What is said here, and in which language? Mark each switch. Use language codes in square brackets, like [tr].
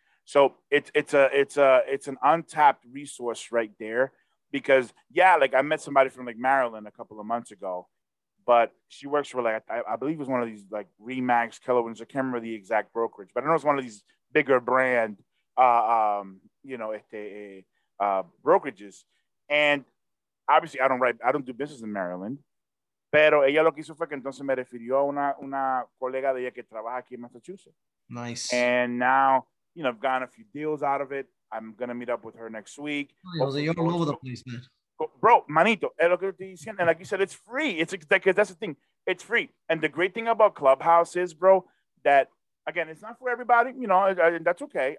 [en] So it's an untapped resource right there because I met somebody from like Maryland a couple of months ago, but she works for I believe it was one of these like Remax, Keller Williams, I can't remember the exact brokerage, but I know it's one of these bigger brand, brokerages. And obviously I don't do business in Maryland. [es] Pero ella lo que hizo fue que entonces me refirió a una colega de ella que trabaja aquí en Massachusetts. [en] Nice. And now, I've gotten a few deals out of it. I'm going to meet up with her next week. You're all over the place, man. Bro, manito, [es] es lo que estoy diciendo. [en] And like you said, it's free. It's like, that's the thing. It's free. And the great thing about Clubhouse is, bro, that, again, it's not for everybody. That's okay.